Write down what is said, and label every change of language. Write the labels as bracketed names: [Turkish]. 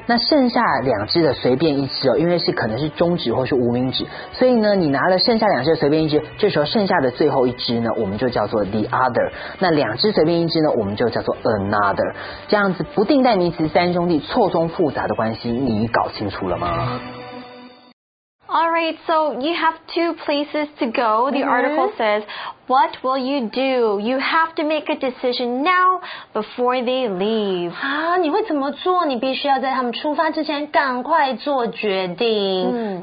[Chinese] 那剩下两支的随便一支哦，因为是可能是中指或是无名指，所以呢你拿了剩下两支随便一支，这时候剩下的最后一支呢我们就叫做 the other， 那两支随便一支呢我们就叫做 another。这样子不定代名词三兄弟错综复杂的关系你搞清楚了吗？ [English] Alright, so you have two places to go. The article says, what will you do? You have to make a decision now before they leave. [Chinese] 啊，你会怎么做？你必须要在他们出发之前赶快做决定。